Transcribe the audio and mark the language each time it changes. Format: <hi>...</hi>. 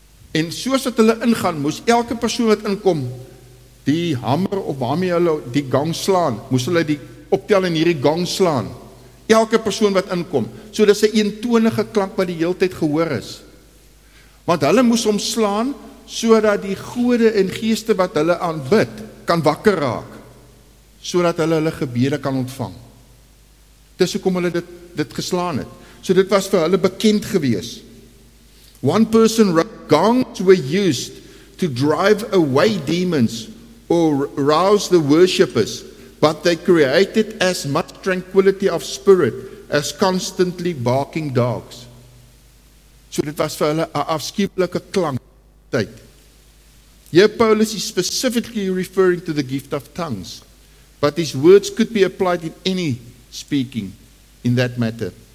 <af>en soos dat hulle ingaan, moes elke persoon wat inkom, die hamer of waarmee hulle die gang slaan, moes hulle die optel in hierdie gang slaan, elke persoon wat inkom, so dis 'n eentonige klank wat die hele tyd gehoor is, want hulle moes hom slaan, so dat die gode en geeste wat hulle aanbid, kan wakker raak, so dat hulle hulle gebede kan ontvang, dis hoekom hulle dit geslaan het, so dit was vir hulle bekend gewees.</af> <en>One person gongs were used to drive away demons or rouse the worshippers, but they created as much tranquility of spirit as constantly barking dogs.</en> <af>So dit was vir hulle 'n afskuwelike klank tyd.</af> <en>Here Paulus is specifically referring to the gift of tongues, but his words could be applied in any speaking in that matter.</en>